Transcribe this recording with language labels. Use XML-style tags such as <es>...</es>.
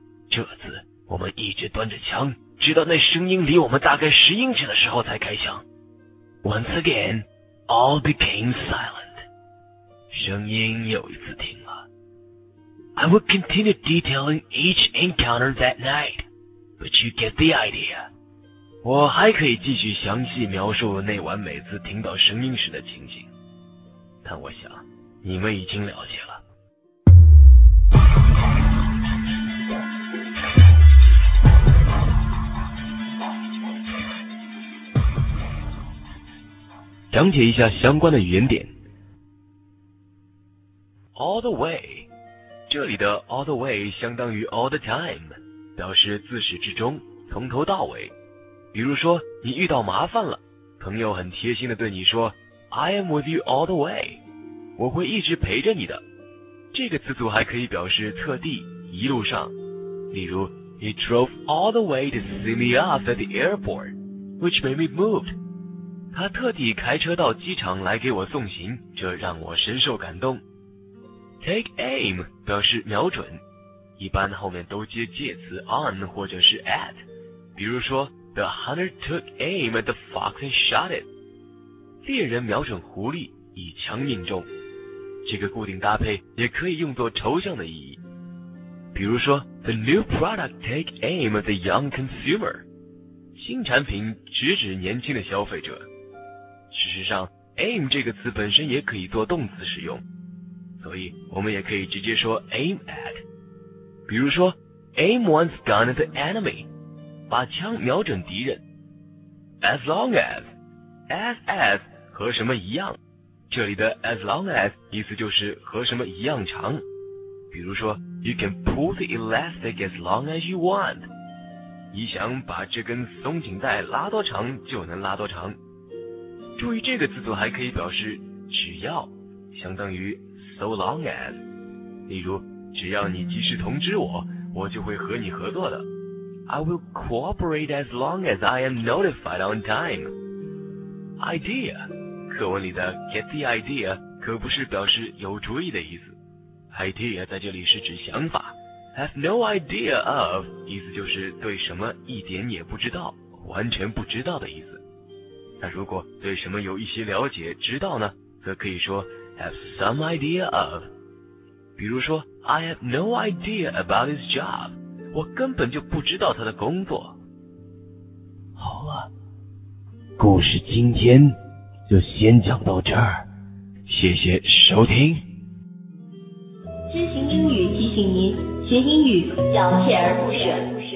<zh>这次我们一直端着枪，直到那声音离我们大概十英尺的时候才开枪。</zh> <en>Once again, all became silent.</en> <zh>声音又一次停了。</zh> <en>I would continue detailing each encounter that night, but you get the idea.</en> <zh>我还可以继续详细描述那晚每次听到声音时的情景。但我想，你们已经了解了。讲解一下相关的语言点。 All the way， 这里的 all the way 相当于 all the time， 表示自始至终，从头到尾。比如说，你遇到麻烦了，朋友很贴心地对你说 ，</zh> <en>I am with you all the way。</en> <zh>我会一直陪着你的。这个词组还可以表示特地，一路上。</zh> <en>例如 ,He drove all the way to see me off at the airport, which made me moved.</en> <zh>他特地开车到机场来给我送行，这让我深受感动。 Take aim 表示瞄准，一般后面都接介词 on 或者是 at。</zh> <en>比如说 ,The hunter took aim at the fox and shot it.</en> <zh>猎人瞄准狐狸。以枪命中，这个固定搭配也可以用作抽象的意义。</zh> <en>比如说 ,The new product take aim at the young consumer.</en> <zh>新产品直指年轻的消费者。事实上 ,aim 这个词本身也可以做动词使用。所以我们也可以直接说 aim at。</zh> <en>比如说 ,aim one's gun at the enemy.</en> <zh>把枪瞄准敌人。</zh> <en>As long as</en> <zh>和什么一样。这里的 as long as 意思就是和什么一样长，比如说</zh> <en>you can pull the elastic as long as you want，</en> <zh>你想把这根松紧带拉多长就能拉多长。注意这个词组还可以表示只要，相当于 so long as，例如只要你及时通知我，我就会和你合作的。</zh> <en>I will cooperate as long as I am notified on time。</en> <zh>Idea课文里的 get the idea 可不是表示有主意的意思。 Idea 在这里是指想法。</zh> <en>Have no idea of</en> <zh>意思就是对什么一点也不知道，完全不知道的意思。那如果对什么有一些了解知道呢，则可以说 have some idea of。</zh> <en>比如说 I have no idea about his job，</en> <zh>我根本就不知道他的工作。好了，故事今天就先讲到这儿，谢谢收听。知行英语提醒您，学英语要锲而不舍。</zh>